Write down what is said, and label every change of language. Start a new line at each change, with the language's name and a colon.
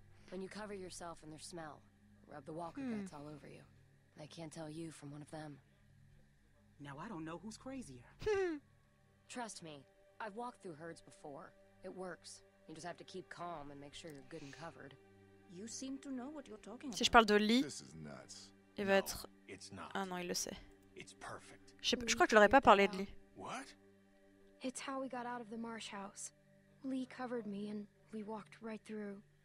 English: When you cover yourself in their smell, rub the walker guts all over you. I can't tell you from one of them. Now I don't know who's crazier. Trust me, I've walked through herds before. It works. You just have to keep calm and make sure you're good and covered. You seem to know what you're talking about.
French: Si je parle de Lee, il va être... Ah non, il le sait.
English: It's perfect.
French: Je crois que je l'aurais pas parlé de Lee.
English: What? It's how we got out of the marsh house. Lee covered me and we walked right through.